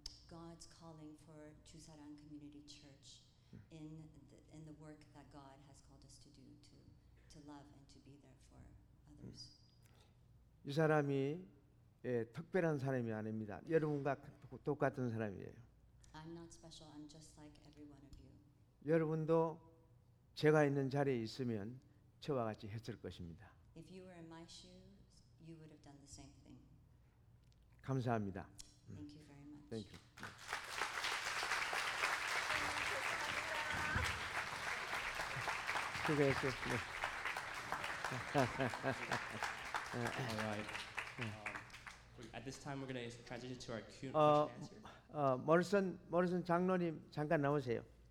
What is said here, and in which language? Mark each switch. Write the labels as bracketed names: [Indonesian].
[English] God's calling for Jusarang Community Church in the work that God has called us to do to love and to be there for others. [Korean] 이 사람이 특별한 사람이 아닙니다. 여러분과 똑같은 사람이에요. [English] I'm not special. I'm just like every one of you. [Korean] 여러분도 제가 있는 자리에 있으면 저와 같이 했을 것입니다. [English] If you were in my shoes, you would have done the same thing. [Korean] 감사합니다. [English] Thank you very much. Thank you. [Korean] 수고했습니다. [English] All right. At this time, we're going to transition to our question answer. [Korean] 머리슨 장로님 잠깐 나오세요.